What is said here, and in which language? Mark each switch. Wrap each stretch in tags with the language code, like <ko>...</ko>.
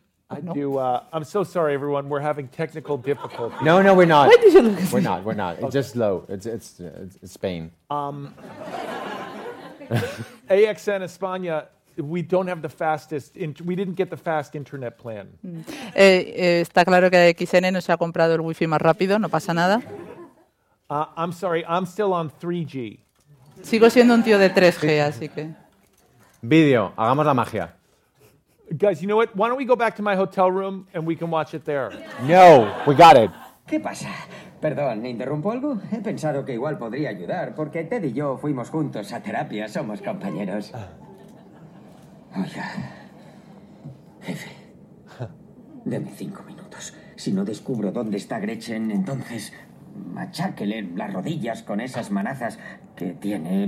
<en>I do... I'm so sorry, everyone. We're having technical difficulties. No, no, we're not. Why did you lose? We're not. It's okay. Just slow. It's Spain. AXN España... We don't have the fastest. We didn't get the fast internet plan.</en> <es>Está claro que AXN no se ha comprado el wifi más rápido. No pasa nada.</es> <en>I'm sorry. I'm still on 3G.</en> <es>Sigo siendo un tío de 3G, así que. Video. Hagamos la magia.</es> <en>Guys, you know what? Why don't we go back to my hotel room and we can watch it there? No, we got it.</en> <es>¿Qué pasa? Perdón, ¿me interrumpo algo? He pensado que igual podría ayudar porque Ted y yo fuimos juntos a terapia. Somos compañeros. Oiga, jefe, deme 5 minutos. Si no descubro dónde está Gretchen, entonces macháquele las rodillas con esas manazas que tiene.</es>